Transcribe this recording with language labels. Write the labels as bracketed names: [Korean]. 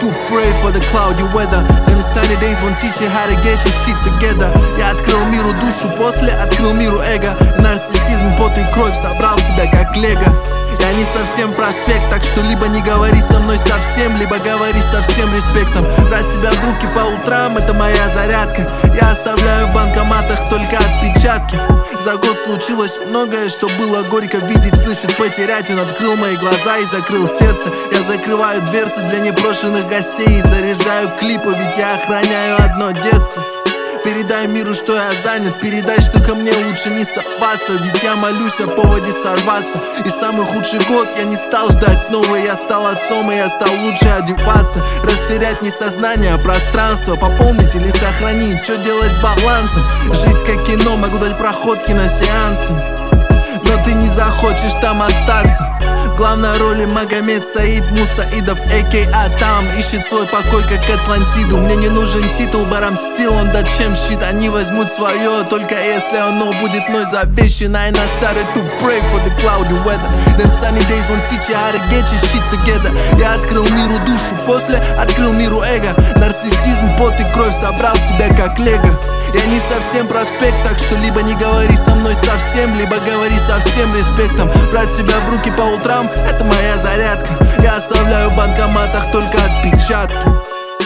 [English] pray for the cloudy weather. Then sunny days won't teach you how to get your shit together. [Russian] Я открыл миру душу, после открыл миру эго. Нарциссизм, пот и кровь, собрал себя как лего. Я не совсем проспект, так что либо не говори со мной совсем, либо говори со всем респектом. Брать себя в руки по утрам — это моя зарядка. Я оставляю в банкоматах только отпечатки. За год случилось многое, что было горько видеть, слышать, потерять. Он открыл мои глаза и закрыл сердце. Я закрываю дверцы для непрошенных гостей и заряжаю клипы, ведь я охраняю одно детство. Передай миру, что я занят. Передай, что ко мне лучше не соваться. Ведь я молюсь о поводе сорваться. И самый худший год я не стал ждать новый. Я стал отцом, и я стал лучше одеваться. Расширять не сознание, а пространство. Пополнить или сохранить, что делать с балансом. Жизнь как кино, могу дать проход киносеансы. Но ты не захочешь там остаться. Главной роли Магомед Саид Мусаидов, а.к.а. там ищет свой покой, как Атлантиду. Мне не нужен титул, [English] but I'm still on the champ shit. [Russian] Они возьмут свое, только если оно будет мной завещено. [English] And I started to pray for the cloudy weather. Them sunny days won't teach you how to get your shit together. [Russian] Я открыл миру душу, после открыл миру эго. Нарциссизм, пот и кровь, собрал себя как лего. Я не совсем проспект, так что либо не говори со мной совсем, либо говори со всем респектом. Брать себя в руки по утрам — это моя зарядка. Я оставляю в банкоматах только отпечатки.